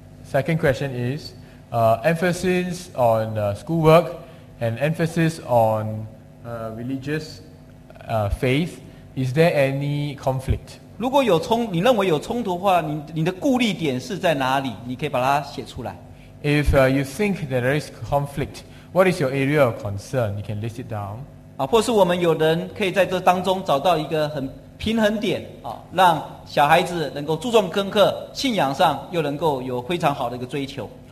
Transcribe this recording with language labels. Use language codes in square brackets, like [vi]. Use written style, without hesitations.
[en] Second question is, emphasis on schoolwork and emphasis on religious faith. Is there any conflict? [zh] 如果有冲，你认为有冲突的话，你的顾虑点是在哪里？你可以把它写出来。 [en] If you think that there is conflict, what is your area of concern? You can list it down. [zh] 啊，或是我们有人可以在这当中找到一个很平衡点啊，让小孩子能够注重功课，信仰上又能够有非常好的一个追求。